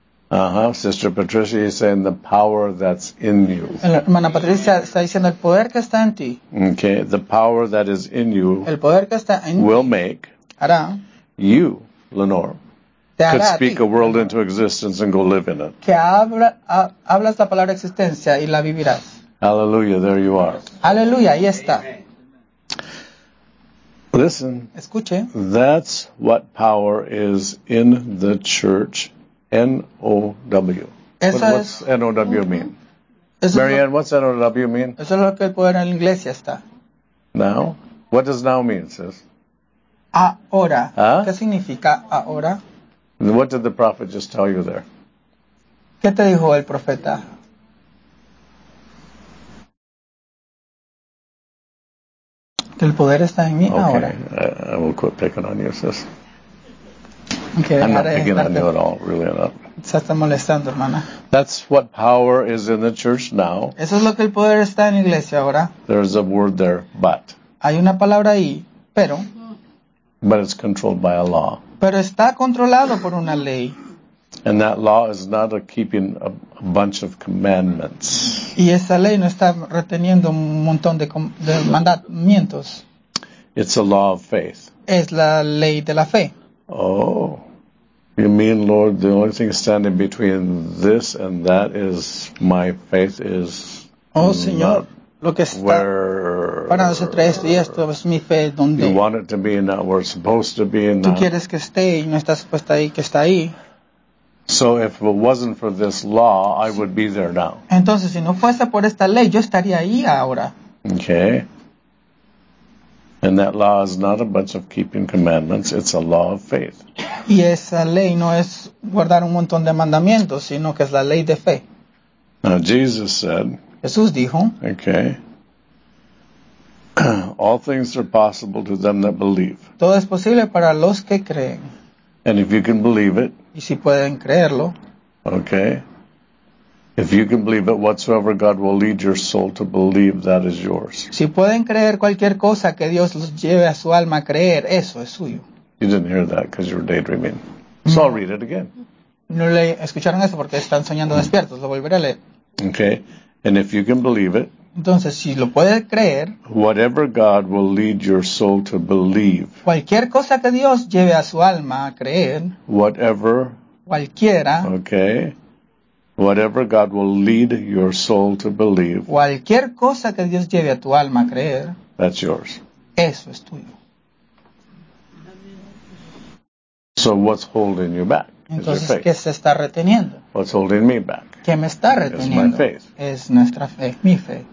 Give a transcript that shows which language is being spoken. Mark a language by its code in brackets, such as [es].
[en] Uh-huh, Sister Patricia is saying the power that's in you. [es] Hermana Patricia está diciendo el poder que está en ti. [en] Okay, the power that is in you [es] el poder que está en [en] will make [es] hará [en] you, Lenore, [es] te hará [en] could speak [es] a, ti, [en] a world into existence and go live in it. [es] Que hablas la palabra existencia y la vivirás. [en] Hallelujah, there you are. [es] Hallelujah, ahí está. [en] Listen, [es] escuche. [en] That's what power is in the church. N-O-W. What's N-O-W mean? Marianne, what's N-O-W mean? [es] Eso es lo que el poder en la iglesia está. [en] Now? What does now mean, sis? [es] Ahora. [en] Huh? [es] ¿Qué significa ahora? [en] What did the prophet just tell you there? [es] ¿Qué te dijo el profeta? El poder está en mí [en] okay. [es] Ahora. [en] I will quit picking on you, sis. Okay, I'm not picking on you at all, really not. [es] Se está molestando, hermana. [en] That's what power is in the church now. [es] Eso es lo que el poder está en la iglesia ahora. [en] There's a word there, but. [es] Hay una palabra ahí, pero. [en] But it's controlled by a law. [es] Pero está controlado por una ley. [en] And that law is not a keeping a bunch of commandments. [es] Y esa ley no está reteniendo un montón de mandamientos. [en] It's a law of faith. [es] Es la ley de la fe. [en] Oh, you mean, Lord, the only thing standing between this and that is my faith is [es] oh, Señor, [en] not [es] lo que está [en] where [es] para nosotros esto y esto es mi fe, donde [en] you want it to be and not where it's supposed to be and [es] tú quieres que esté y no está supuesto ahí, que está ahí. [en] So if it wasn't for this law, I would be there now. [es] Entonces, si no fuese por esta ley, yo estaría ahí ahora. [en] Okay. And that law is not a bunch of keeping commandments, it's a law of faith. [es] Y esa ley no es guardar un montón de mandamientos, sino que es la ley de fe. [en] Now Jesus said, [es] Jesús dijo, [en] okay, all things are possible to them that believe. [es] Todo es posible para los que creen. [en] And if you can believe it, [es] y si pueden creerlo, [en] okay, if you can believe it, whatsoever God will lead your soul to believe, that is yours. [es] Si pueden creer cualquier cosa que Dios los lleve a su alma a creer, eso es suyo. [en] You didn't hear that because you were daydreaming. So I'll read it again. [es] No le escucharon eso porque están soñando despiertos. Lo volveré a leer. [en] Okay. And if you can believe it, [es] entonces, si lo puede creer, [en] whatever God will lead your soul to believe, [es] cualquier cosa que Dios lleve a su alma a creer, [en] whatever, [es] cualquiera, [en] okay, whatever God will lead your soul to believe, [es] cualquier cosa que Dios lleve a tu alma a creer, [en] that's yours. [es] Eso es tuyo. [en] So what's holding you back? [es] Entonces, ¿qué se está reteniendo? [en] What's holding me back? [es] ¿Qué me está reteniendo? [en] It's my faith. [es] Es nuestra fe, mi fe.